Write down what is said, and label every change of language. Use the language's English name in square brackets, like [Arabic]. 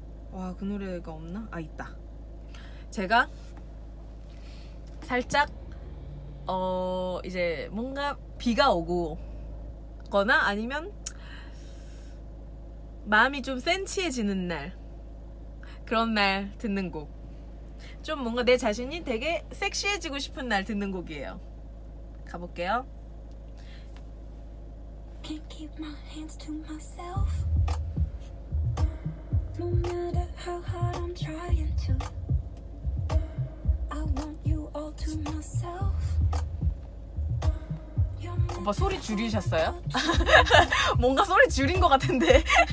[Korean] 와 그 노래가 없나? 아 있다. 제가 살짝 이제 뭔가 비가 오고 거나 아니면 마음이 좀 센치해지는 날 그런 날 듣는 곡 좀 뭔가 내 자신이 되게 섹시해지고 싶은 날 듣는 곡이에요. 가볼게요. [English] Can't keep my hands to myself. No matter how hard I'm trying to I want you all to myself. [Korean] 오빠 소리 줄이셨어요? 뭔가 소리 줄인 것 같은데.